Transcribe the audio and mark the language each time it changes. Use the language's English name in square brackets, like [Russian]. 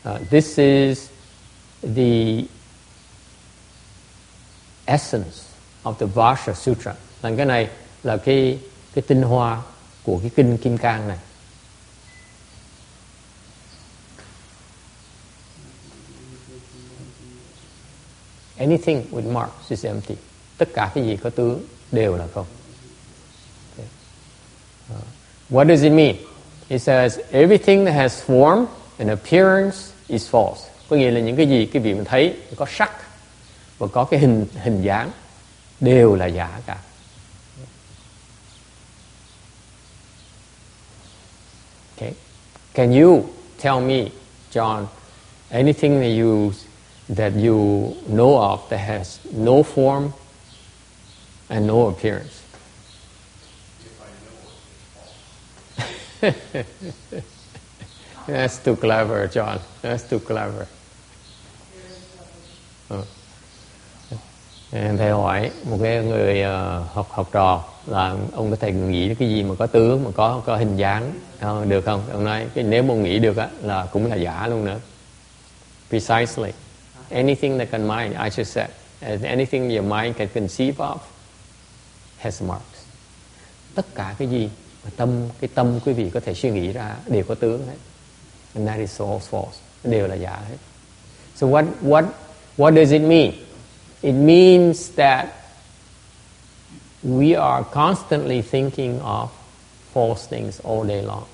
[English] This is the essence of the Vajra Sutra. [Vietnamese] Là cái này là cái tinh hoa của cái kinh Kim Cang này. [English] Anything with marks is empty. [Vietnamese] Tất cả cái gì có tướng đều là không. [English] Okay. What does it mean? It says everything that has form and appearance is false. Có nghĩa là những cái gì quý vị mình thấy có sắc và có cái hình dáng đều là giả cả. Okay. Can you tell me, John, anything that you know of that has no form and no appearance? If I know it, it's false. That's too clever, John. That's too clever. [Vietnamese] Em thầy hỏi một cái người học trò là ông có thể nghĩ cái gì mà có tướng, mà có hình dáng được không? Ông nói cái nếu mà nghĩ được á là cũng là giả luôn nữa. [English] Precisely. Anything that can mind, I just said, anything your mind can conceive of has marks. [Vietnamese] Tất cả cái gì mà cái tâm quý vị có thể suy nghĩ ra đều có tướng hết. [English] And that is all false. [Vietnamese] Đều là giả hết. [English] So what does it mean? It means that we are constantly thinking of false things all day long.